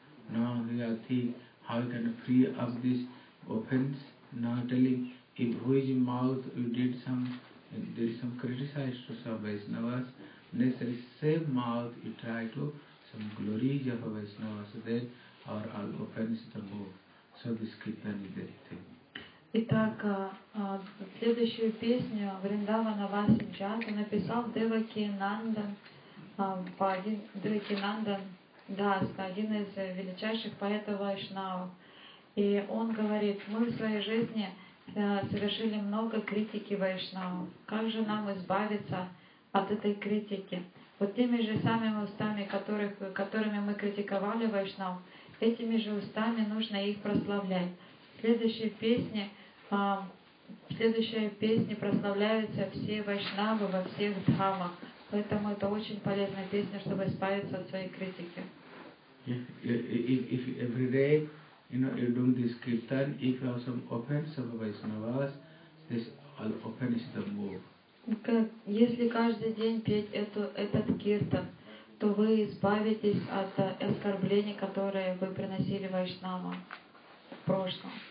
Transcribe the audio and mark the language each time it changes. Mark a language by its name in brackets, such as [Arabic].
[English] Now he asked how he can free of this offense. Now telling in whose mouth you did some, there is some criticized to some Vaishnavas, necessary same mouth you try to some glories of Vaishnavas, so then our all offense the more. So this Kirtan is very thing. [Russian] Итак, следующую песню Вриндавана Васиджата написал Девакинандан Дас, один из величайших поэтов вайшнавов. И он говорит, мы в своей жизни совершили много критики вайшнавов. Как же нам избавиться от этой критики? Вот теми же самыми устами, которыми мы критиковали вайшнав, этими же устами нужно их прославлять. Следующие песни в следующей песне прославляются все вайшнавы во всех дхамах. Поэтому это очень полезная песня, чтобы избавиться от своей критики. [English] If every day, you're doing this kirtan, if you have some offense of vaishnavas, this all offense is the more. [Russian] Если каждый день петь этот киртан, то вы избавитесь от оскорблений, которые вы приносили вайшнавам в прошлом.